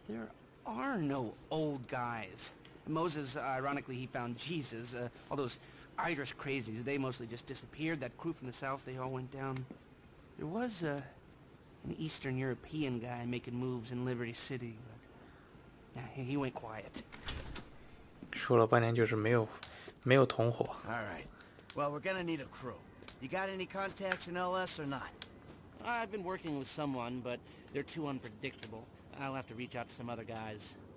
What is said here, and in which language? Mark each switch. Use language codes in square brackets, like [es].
[en] There are no old guys. Moses, ironically, he found Jesus. All those... Irish crazies, they mostly just disappeared. That crew from the south, they all went down. There was an Eastern European guy making moves in Liberty City, but he went quiet. [zh] 说了半天就是没有同伙。 [en] All right. Well, we're gonna need a crew. You got any contacts in LS or not? I've been working with someone, but they're too unpredictable. I'll have to reach out to some other guys.